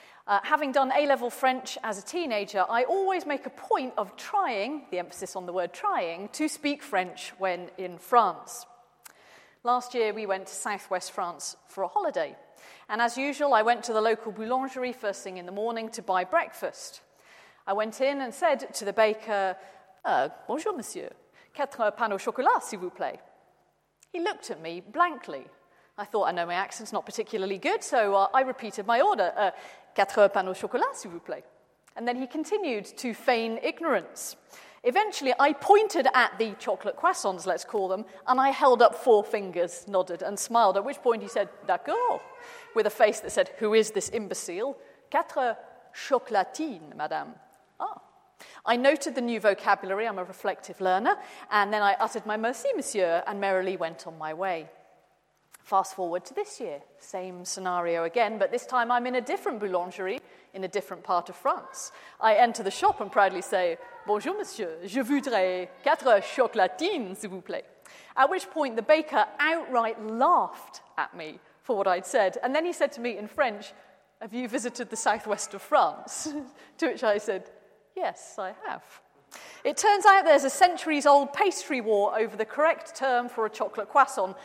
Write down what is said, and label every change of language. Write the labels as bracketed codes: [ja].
[en] Having done A-level French as a teenager, I always make a point of trying, the emphasis on the word trying, to speak French when in France. Last year, we went to southwest France for a holiday. And as usual, I went to the local boulangerie first thing in the morning to buy breakfast. I went in and said to the baker, [fr] bonjour, monsieur. Quatre pains au chocolat, s'il vous plaît. [en] He looked at me blankly. I thought, I know my accent's not particularly good, so I repeated my order. [fr] Quatre pains au chocolat, s'il vous plaît. [en] And then he continued to feign ignorance. Eventually, I pointed at the chocolate croissants, let's call them, and I held up four fingers, nodded, and smiled, at which point he said, d'accord, with a face that said, who is this imbecile? [fr] Quatre chocolatines, madame. [en] Ah. I noted the new vocabulary, I'm a reflective learner, and then I uttered my [fr] merci, monsieur, [en] and merrily went on my way. Fast forward to this year, same scenario again, but this time I'm in a different boulangerie in a different part of France. I enter the shop and proudly say, [fr] bonjour monsieur, je voudrais quatre chocolatines, s'il vous plaît. [en] At which point the baker outright laughed at me for what I'd said, and then he said to me in French, have you visited the southwest of France? To which I said, yes, I have. It turns out there's a centuries-old pastry war over the correct term for a chocolate croissant.